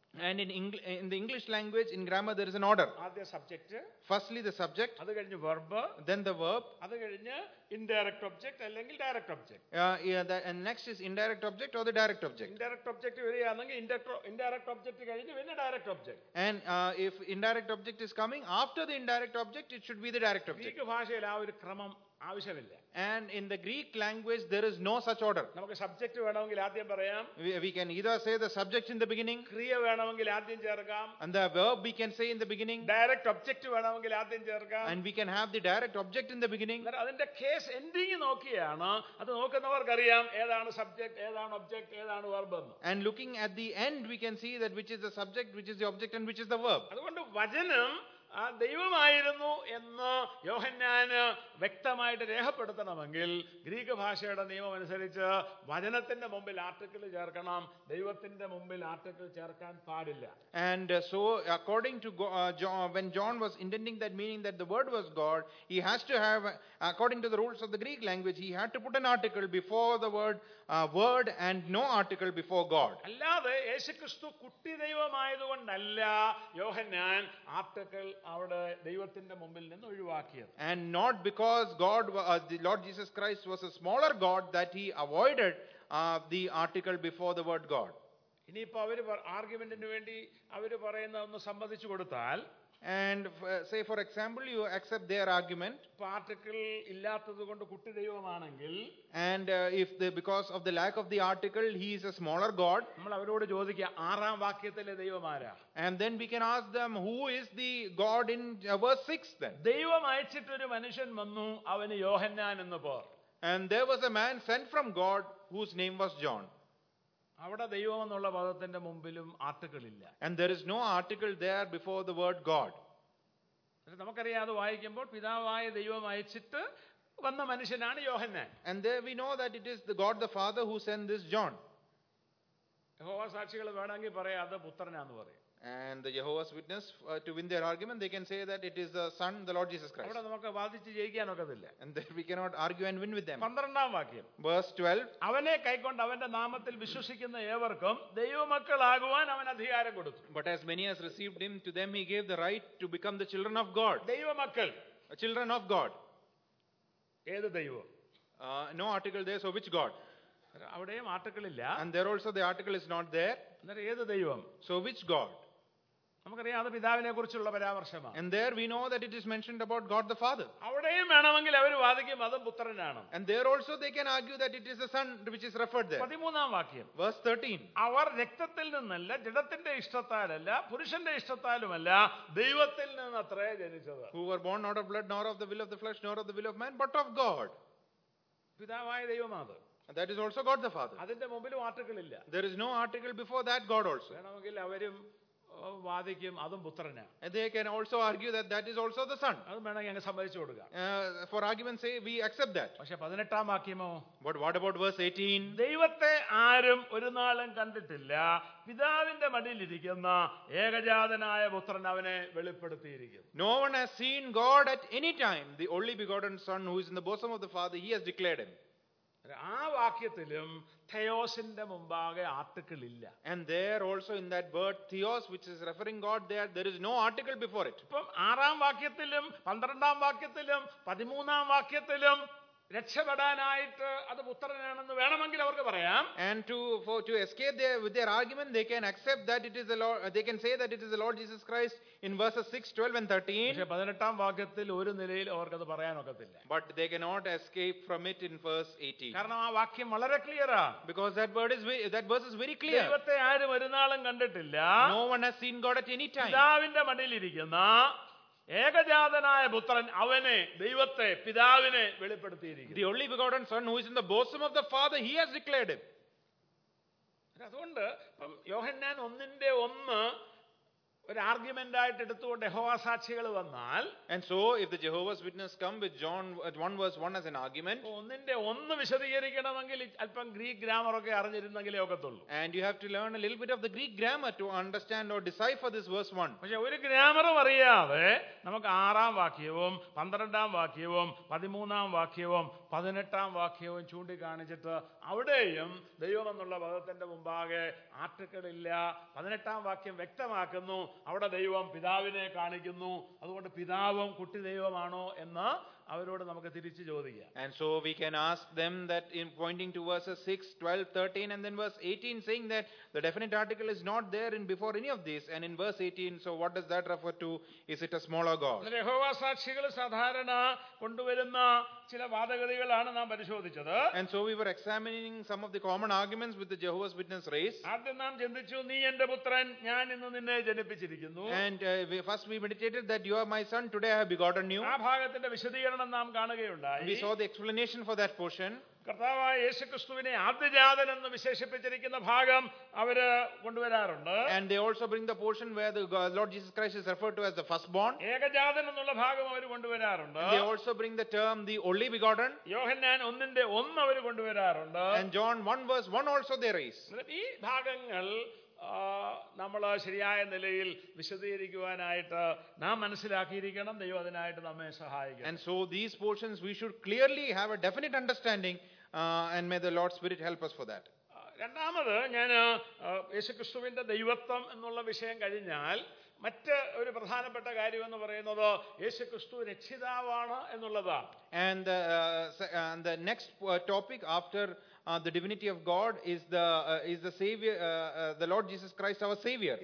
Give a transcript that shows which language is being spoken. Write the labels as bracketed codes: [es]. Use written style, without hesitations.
[en] And in the English language in grammar there is an order. [ml] ആദ്യ subject, [en] firstly the subject, [ml] അത് കഴിഞ്ഞ് verb, [en] then the verb, [ml] അത് കഴിഞ്ഞ് indirect object അല്ലെങ്കിൽ direct object. [en] And next is indirect object or the direct object. [ml] Indirect object വരികയാണെങ്കിൽ indirect object കഴിഞ്ഞ് പിന്നെ direct object. [en] And if indirect object is coming after the indirect object it should be the direct object. [ml] Greek ഭാഷയിൽ ആ ഒരു ക്രമം ആവശ്യമില്ല. [en] And in the Greek language there is no such order. [ml] നമുക്ക് subject വേണമെങ്കിൽ ആദ്യം പറയാം. [en] We can either say the subject in the beginning. [ml] ക്രിയ വേണമെങ്കിൽ ആദ്യം ചേർക്കാം. [en] And the verb we can say in the beginning. [ml] Direct object വേണമെങ്കിൽ ആദ്യം ചേർക്കാം. [en] And we can have the direct object in the beginning. [ml] അതിന്റെ കേസ് എൻഡിങ് നോക്കിയാണ് അത് നോക്കുന്നവർക്ക് അറിയാം ഏതാണ് സബ്ജക്റ്റ്, ഏതാണ് ഒബ്ജക്റ്റ്, ഏതാണ് വെർബ് എന്ന്. [en] And looking at the end we can see that which is the subject, which is the object and which is the verb. [ml] അതുകൊണ്ട് വചനം ദൈവമായിരുന്നു എന്ന് യോഹന്നാന് വ്യക്തമായിട്ട് രേഖപ്പെടുത്തണമെങ്കിൽ ഗ്രീക്ക് ഭാഷയുടെ നിയമം അനുസരിച്ച് വചനത്തിന്റെ മുമ്പിൽ ആർട്ടിക്കിൾ ചേർക്കണം, ദൈവത്തിന്റെ മുമ്പിൽ ആർട്ടിക്കിൾ ചേർക്കാൻ പാടില്ല. [en] And so according to when John was intending that meaning that the word was God, he has to have, according to the rules of the Greek language, he had to put an article before the word word and no article before God. [ml] അല്ലാതെ യേശുക്രിസ്തു കുട്ടി ദൈവമായതുകൊണ്ടല്ല യോഹന്നാൻ article അവിടെ ദൈവത്തിന്റെ മുമ്പിൽ നിന്ന് ഒഴിവാക്കിയത്. [en] And not because God the Lord Jesus Christ was a smaller God that he avoided the article before the word God. [ml] ഇനിയിപ്പോ അവര് ആർഗ്യുമെന്റിന് വേണ്ടി അവര് പറയുന്ന ഒന്ന് സമ്മതിച്ചു കൊടുത്താൽ, [en] and say for example you accept their argument, [ml] article illathadukond kutti devamaanengil, [en] and if the because of the lack of the article he is a smaller god, [ml] nammal avarodu chodikka aaram vakyathile devamaara, [en] and then we can ask them who is the god in verse 6. Then [ml] devam aichittu oru manushan vannu avanu yohannan ennu por, [en] and there was a man sent from God whose name was John. [ml] അവിടെ ദൈവം എന്നുള്ള പദത്തിന്റെ മുമ്പിലും article ഇല്ല. [en] And there is no article there before the word God. [ml] നമുക്കറിയാം, അത് വായിക്കുമ്പോൾ പിതാവായ ദൈവം അയച്ചിട്ട് വന്ന മനുഷ്യനാണ് യോഹന്നാൻ. [en] And there we know that it is the God the Father who sent this John. [ml] യഹോവ സാക്ഷികൾ വേണമെങ്കിൽ പറയാം അത് പുത്രനാന്ന് പറയും. [en] And the Jehovah's Witness, to win their argument, they can say that it is the Son, the Lord Jesus Christ. [ml] അവിടെ നമുക്ക് വാദിച്ച് ജയിക്കാനൊക്കത്തില്ല. [en] And then we cannot argue and win with them. [ml] 12th വാക്യം. [en] Verse 12. [ml] അവനെ കൈക്കൊണ്ട് അവന്റെ നാമത്തിൽ വിശ്വസിക്കുന്ന ഏവർക്കും ദൈവമക്കളാകുവാൻ അവൻ അധികാരം കൊടുത്തു. [en] But as many as received him, to them he gave the right to become the children of God. [ml] ദൈവമക്കൾ. [en] Children of God. [ml] ഏത് ദൈവം? [en] No article there, so which God? [ml] അവിടെയും ആർട്ടിക്കിൾ ഇല്ല. [en] And there also the article is not there. [ml] എന്നാൽ ഏത് ദൈവം? [en] So which God? [ml] നമുക്കറിയാം അത് പിതാവിനെ കുറിച്ചുള്ള പരാമർശമാണ്. [en] And there we know that it is mentioned about God the Father. [ml] അവിടെയും വേണമെങ്കിൽ അവർ വാദിക്കും അതും പുത്രനാണ്. [en] And there also they can argue that it is the Son which is referred there. [ml] 13th വാക്യം. [en] Verse 13. [ml] അവർ രക്തത്തിൽ നിന്നല്ല, ജഡത്തിന്റെ ഇഷ്ടത്താലല്ല, പുരുഷന്റെ ഇഷ്ടത്താലുമല്ല, ദൈവത്തിൽ നിന്നത്രേ ജനിച്ചത്. [en] Who were born not of blood, nor of the will of the flesh, nor of the will of man, but of God. [ml] പിതാവായ ദൈവമാണ്. [en] And that is also God the Father. [ml] അതിന്റെ മുമ്പിലും ആർട്ടിക്കിൾ ഇല്ല. [en] There is no article before that God also. [ml] വേണമെങ്കിൽ അവരും വാദിക്കും അതും പുത്രനാണ്. [en] And they can also argue that that is also the Son. [ml] അത് വേണമെങ്കിൽ അങ്ങ് സമ്മതിച്ചു കൊടുക്കുക. [en] For argument's sake, we accept that. [ml] പക്ഷേ 18th വാക്യമോ? [en] But what about verse 18? [ml] ദൈവത്തെ ആരും ഒരു നാളും കണ്ടിട്ടില്ല, പിതാവിന്റെ മടിയിലിരിക്കുന്ന ഏകജാതനായ പുത്രൻ അവനെ വെളിപ്പെടുത്തിയിരിക്കുന്നു. [en] No one has seen God at any time. The only begotten Son who is in the bosom of the Father, he has declared him. [ml] ആ വാക്യത്തിലും തിയോസിന്റെ മുമ്പാകെ ആർട്ടിക്കിൾ ഇല്ല. [en] And there also in that word theos which is referring God, there is no article before it. [ml] ഇപ്പോ 6th വാക്യത്തിലും 12th വാക്യത്തിലും 13th വാക്യത്തിലും രക്ഷപ്പെടാനായിട്ട് അത് പുത്രനാണെന്ന് വേണമെങ്കിൽ അവർക്ക് പറയാം. [en] And to escape with their argument, they can accept that it is the Lord, they can say that it is the Lord Jesus Christ in verses 6, 12 and 13. [ml] പക്ഷേ 18th വാക്യത്തിൽ ഒരു നിലയിൽ അവർക്ക് അത് പറയാനൊക്കത്തില്ല. [en] But they cannot escape from it in verse 18. [ml] കാരണം ആ വാക്യം വളരെ ക്ലിയറാ. [en] Because that verse is very clear. [ml] ദൈവത്തെ ആരും ഒരു നാളും കണ്ടിട്ടില്ല. [en] No one has seen God at any time. [ml] പിതാവിന്റെ മടിയിലിരിക്കുന്ന ഏകജാതനായ പുത്രൻ അവനെ ദൈവത്തെ പിതാവിനെ വെളിപ്പെടുത്തിയിരിക്കുന്നു. [en] The only begotten Son who is in the bosom of the Father, he has declared him. [ml] അതുകൊണ്ട് ഇപ്പം യോഹന്നാൻ 1:1 ഒരു ആർഗ്യുമെന്റ് ആയിട്ട് എടുത്തുകൊണ്ട് യഹോവ സാക്ഷികൾ വന്നാൽ, [en] and so if the Jehovah's Witness come with John at 1:1 as an argument, [ml] 1:1 വിശദീകരിക്കണമെങ്കിൽ അല്പം ഗ്രീക്ക് ഗ്രാമർ ഒക്കെ അറിഞ്ഞിരുന്നെങ്കിലേ ഒക്കത്തുള്ളൂ. [en] And you have to learn a little bit of the Greek grammar to understand or decipher this verse 1. [ml] പക്ഷേ ഒരു ഗ്രാമറും അറിയാതെ നമുക്ക് 6th വാക്യവും 12th വാക്യവും 13th വാക്യവും 18th വാക്യവും ചൂണ്ടിക്കാണിച്ചിട്ട് അവിടെയും ദൈവം എന്നുള്ള പദത്തിന്റെ മുമ്പാകെ ആർട്ടിക്കിൾ ഇല്ല. 18th വാക്യം വ്യക്തമാക്കുന്നു, അവിടെ ദൈവം പിതാവിനെ കാണിക്കുന്നു, അതുകൊണ്ട് പിതാവും കുട്ടി ദൈവമാണോ എന്ന് അവരോട് നമുക്ക് തിരിച്ചു ചോദിക്കാം. [en] And so we can ask them that in pointing to verses 6, 12, 13 and then verse 18, saying that the definite article is not there in before any of these, and in verse 18, so what does that refer to? Is it a smaller God? [ml] യഹോവ സാക്ഷികൾ സാധാരണ കൊണ്ടുവരുന്ന ചില വാദഗതികളാണ് നാം പരിശോധിച്ചത്. [en] And so we were examining some of the common arguments with the Jehovah's Witness race. [ml] ആദ്യം നാം ചിന്തിച്ചു, നീ എന്റെ പുത്രൻ, ഞാൻ ഇന്ന് നിന്നെ ജനിപ്പിച്ചു. ജനിപ്പിച്ചിരിക്കുന്നു. [en] And first we meditated that you are my son, today I have begotten you. [ml] ആ ഭാഗത്തിന്റെ വിശദീകരണം നാം കാണുകയുണ്ടായി. [en] We saw the explanation for that portion. [ml] കർത്താവായ യേശുക്രിസ്തുവിനെ ആദ്യജാതൻ എന്ന് വിശേഷിപ്പിച്ചിരിക്കുന്ന ഭാഗം അവർ കൊണ്ടുവരാറുണ്ട്. [en] And they also bring the portion where the Lord Jesus Christ is referred to as the firstborn. [ml] ഏകജാതൻ എന്നുള്ള ഭാഗം അവർ കൊണ്ടുവരാറുണ്ട്. [en] They also bring the term the only begotten. [ml] Yohannan 1:1 our കൊണ്ടുവരാറുണ്ട്. [en] And John 1:1 also they raise. [ml] ഈ ഭാഗങ്ങൾ നമ്മൾ ശരിയായ നിലയിൽ വിശദീകരിക്കുവാനായിട്ട് നാം മനസ്സിലാക്കിയിരിക്കണം. ദൈവം അതിനായിട്ട് നമ്മെ സഹായിക്കണം. [en] And so these portions we should clearly have a definite understanding, and may the Lord's Spirit help us for that. [ml] രണ്ടാമത് ഞാൻ യേശുക്രിസ്തുവിന്റെ ദൈവത്വം എന്നുള്ള വിഷയം കഴിഞ്ഞാൽ മറ്റ് ഒരു പ്രധാനപ്പെട്ട കാര്യം എന്ന് പറയുന്നത് യേശുക്രിസ്തു രക്ഷിതാവാണ് എന്നുള്ളതാണ്. [en] And the next topic after the divinity of God is the savior, the Lord Jesus Christ, our savior.